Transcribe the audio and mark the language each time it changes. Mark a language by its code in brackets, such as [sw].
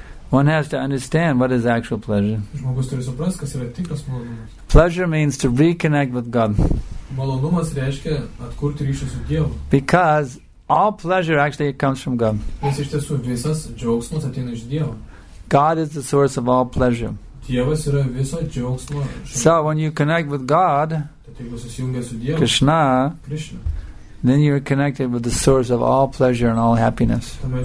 [en] One has to understand what is actual pleasure. [lt] Žmogus turi suprast, kas yra tikras malonumas. [en] Pleasure means to reconnect with God. [lt] Malonumas reiškia atkurti ryšį su Dievu. [en] Because all pleasure actually comes from God. [lt] Nes iš tiesų visas džiaugsmas ateina iš Dievo. [en] God is the source of all pleasure. [lt] Dievas yra viso džiaugsmo. [en] So when you connect with God, [lt] tai, jeigu susijungia su Dievu, Krishna, [en] then you are connected with the source of all pleasure and all happiness.